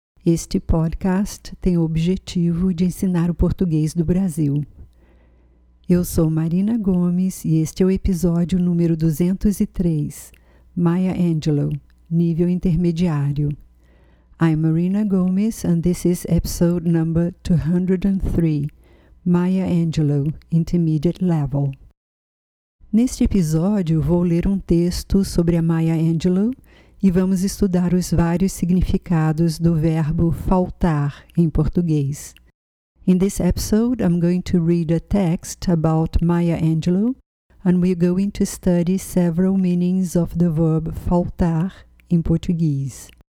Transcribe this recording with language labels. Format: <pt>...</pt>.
<pt>Este podcast tem o objetivo de ensinar o português do Brasil. Eu sou Marina Gomes e este é o episódio número 203, Maya Angelou, nível intermediário.</pt> <en>I'm Marina Gomes and this is episode number 203. Maya Angelou, Intermediate Level.</en> <pt>Neste episódio, vou ler um texto sobre a Maya Angelou e vamos estudar os vários significados do verbo faltar em português.</pt> <en>In this episode, I'm going to read a text about Maya Angelou and we're going to study several meanings of the verb faltar</en> <pt>em português.</pt>